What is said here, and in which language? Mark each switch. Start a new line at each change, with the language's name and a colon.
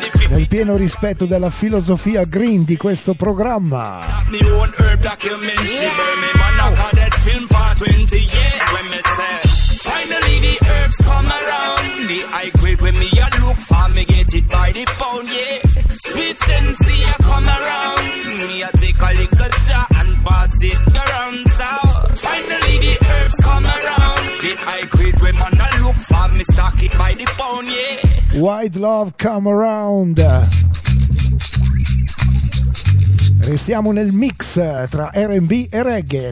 Italian: Nel pieno rispetto della filosofia green di questo programma.
English: Finally the herbs come around. The high grade when me a look for me get it by the pound, yeah. Sweet sensei a come around. Me a take a little jar and pass it around, so. Finally the herbs come around. The high grade when man a look for me stock it by the pound, yeah. White love come around.
Italian: Restiamo nel mix tra R&B e reggae.